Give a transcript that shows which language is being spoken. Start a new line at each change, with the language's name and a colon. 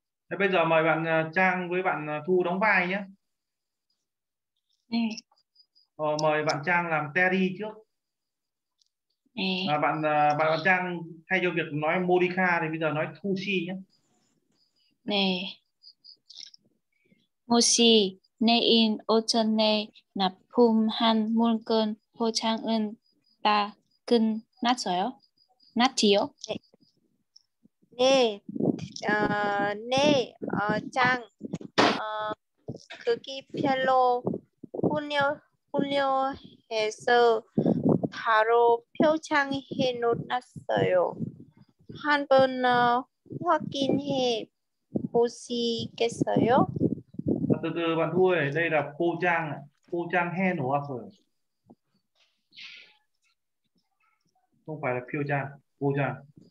Vietnamese: �ây giờ mời bạn Trang với bạn Thu đóng vai nhé. Mời bạn Trang làm Terry trước. Bạn Trang thay cho việc nói Monica thì bây giờ nói Thu Si nhé. Nè.
Korean: Thu Si, 내일 오전에 납품한 물건 포장은 다 끝났어요? 났지요? 네. 네, 장. 크기별로 분류해서 바로 포장해 놓았어요. 한번 확인해 보시겠어요?
Vietnamese: 그 bạn Thu ơi, đây là 포장,
Korean: 포장해 놓았어요.
Vietnamese: Không phải là 포장, 포장.